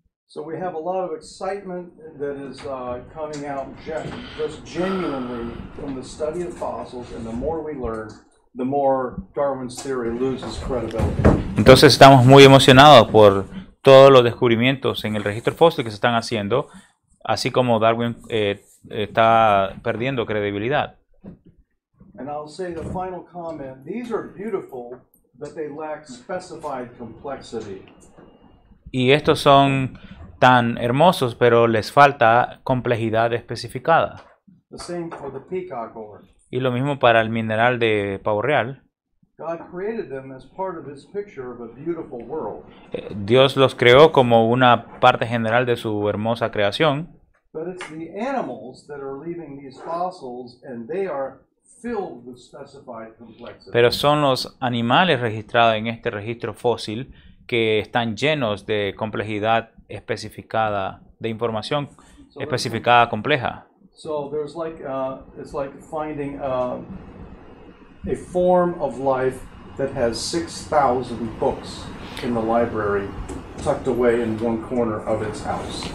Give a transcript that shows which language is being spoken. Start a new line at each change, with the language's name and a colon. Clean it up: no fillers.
English: So we have a lot of excitement that is coming out just genuinely from the study of fossils, and the more we learn, the more Darwin's theory loses credibility.
Spanish: Entonces estamos muy emocionados por todos los descubrimientos en el registro fósil que se están haciendo, así como Darwin está perdiendo credibilidad.
English: And I'll say the final comment. These are beautiful but they lack specified complexity.
Spanish: Y estos son tan hermosos, pero les falta complejidad especificada.
English: The same for the peacock ore.
Spanish: Y lo mismo para el mineral de pavo real.
English: God created them as part of his picture of a beautiful world.
Spanish: Dios los creó como una parte general de su hermosa creación.
English: But it's the animals that are leaving these fossils, and they are filled with specified complexity.
Spanish: Pero son los animales registrados en este registro fósil que están llenos de complejidad especificada, de información especificada compleja.
English: So there's like it's like finding a form of life that has 6,000 books in the library tucked away in one corner of its house.